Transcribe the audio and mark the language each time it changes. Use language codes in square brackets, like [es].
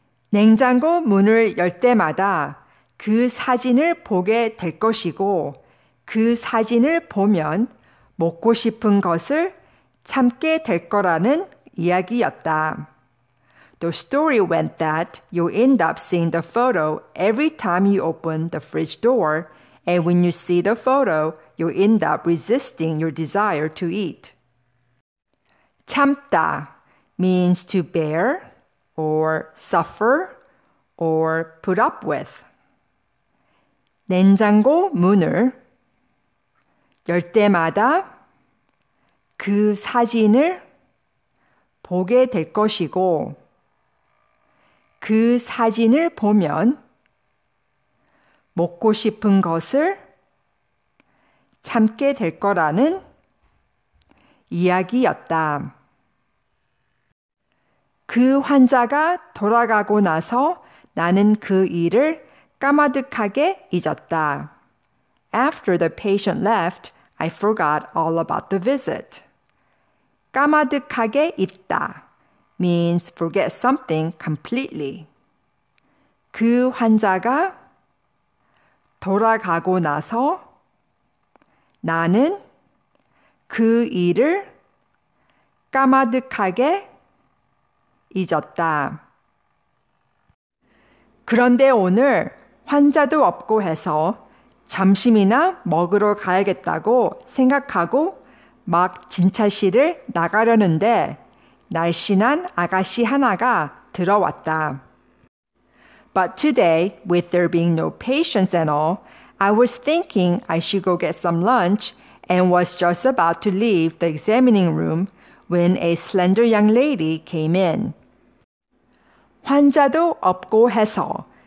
[ko] 냉장고 문을 열 때마다 그 사진을 보게 될 것이고 그 사진을 보면 먹고 싶은 것을 참게 될 거라는 이야기였다. [en] The story went that you'll end up seeing the photo every time you open the fridge door, and when you see the photo, you'll end up resisting your desire to eat. 참다 means to bear, or suffer, or put up with. [ko] 냉장고 문을 열 때마다 그 사진을 보게 될 것이고 그 사진을 보면 먹고 싶은 것을 참게 될 거라는 이야기였다. 그 환자가 돌아가고 나서 나는 그 일을 까마득하게 잊었다. [en] After the patient left, I forgot all about the visit. 까마득하게 잊다 means forget something completely. [ko] 그 환자가 돌아가고 나서 나는 그 일을 까마득하게 잊었다. 그런데 오늘 환자도 없고 해서 점심이나 먹으러 가야겠다고 생각하고 막 진찰실을 나가려는데 날씬한 아가씨 하나가 들어왔다. [en] But today, with there being no patients and all, I was thinking I should go get some lunch and was just about to leave the examining room when a slender young lady came in. [ko] 환자도 없고 해서